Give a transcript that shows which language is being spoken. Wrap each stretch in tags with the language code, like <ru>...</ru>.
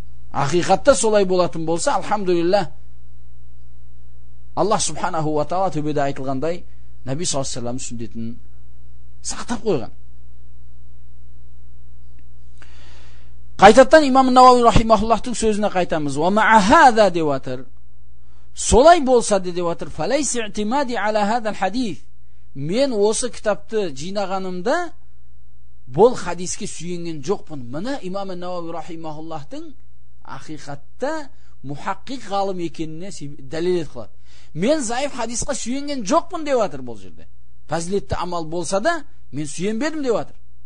<kk>Ақиқатта солай болатын болса, алхамдулилла. Аллах субханаху ва таала түбеде айтылғандай, Нәби саллаллаһу алейхи ва саллям сүндетін сақтап қойған. Қайтадан имам Навауи рахимахуллахтың сөзіне қайтамыз.</kk> <ar>Ва маа хаза</ar> <kk>деп атыр. Солай болса деп атыр.</kk> <ar>Фалайс итимади аля хазал хадис.</ar> <kk>Мен осы кітапты жинағанымда бұл хадиске сүйенген жоқпын. Мына имам Навауи рахимахуллахтың ақиқатта мухаққиқ ғалым екеніне дәлел етеді. Мен заиф хадисқа сүйенген жоқпын деп атыр бұл жерде. Фазилетті амал болса да, мен сүйенбедім деп атыр.</kk>